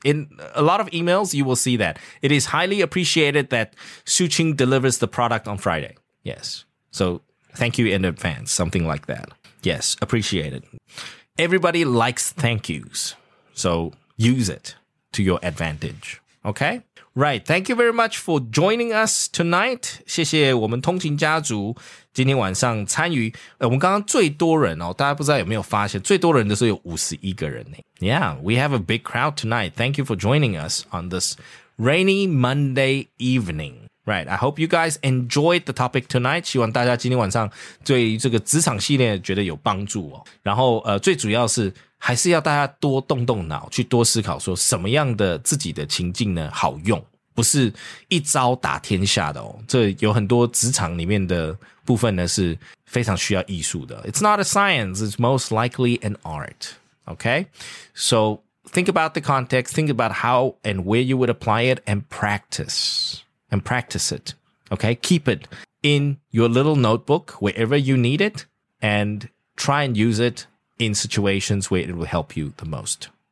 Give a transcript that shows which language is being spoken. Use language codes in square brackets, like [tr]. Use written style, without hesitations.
[en] In a lot of emails, you will see that. It is highly appreciated that Su Qing delivers the product on Friday. Yes. So thank you in advance, something like that. Yes, appreciated. Everybody likes thank yous. So use it to your advantage. Okay? Right. Thank you very much for joining us tonight. [zh] 谢谢我们通勤家族今天晚上参与。我们刚刚最多人哦，大家不知道有没有发现，最多人的时候有51个人呢。 [en] Yeah, we have a big crowd tonight. Thank you for joining us on this rainy Monday evening. Right. I hope you guys enjoyed the topic tonight. [zh] 希望大家今天晚上对这个职场系列觉得有帮助哦。然后最主要是还是要大家多动动脑，去多思考说什么样的自己的情境呢好用，不是一招打天下的哦。这有很多职场里面的部分呢是非常需要艺术的。 [en] It's not a science, it's most likely an art. Okay? So, think about the context, think about how and where you would apply it and practice it. Okay? Keep it in your little notebook wherever you need it and try and use itin situations where it will help you the most.